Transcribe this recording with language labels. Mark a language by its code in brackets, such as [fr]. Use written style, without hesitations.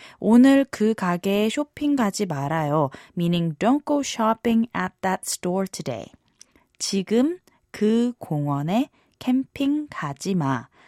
[ko] 오늘 그 가게에 쇼핑 가지 말아요. [en] Meaning don't go shopping at that store today. [ko] 지금 그 공원에 캠핑 가지 마.